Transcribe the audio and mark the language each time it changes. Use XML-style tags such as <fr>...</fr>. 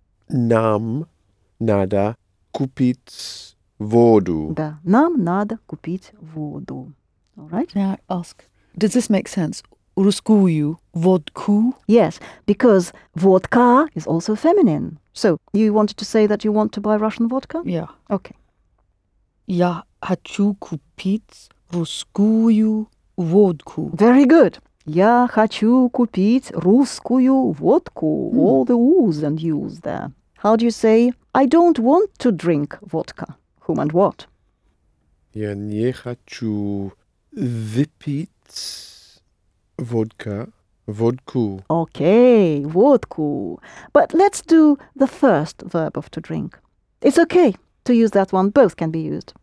<ru>Нам надо купить воду. Да, нам надо купить воду.</ru> <en>All right? May I ask, does this make sense?</en> <ru>Русскую водку?</ru> <en>Yes, because водка is also feminine. So, you wanted to say that you want to buy Russian vodka? Yeah. Okay.</en> <ru>Я хочу купить русскую водку.</ru> <en>Very good.</en> <ru>Я хочу купить русскую водку.</ru> <en>Mm. All the oohs and yous there. How do you say, I don't want to drink vodka? Whom and what?</en> <ru>Я не хочу выпить водка. Водку.</ru> <en>Okay, водку. But let's do the first verb of to drink. It's okay to use that one. Both can be used.</en>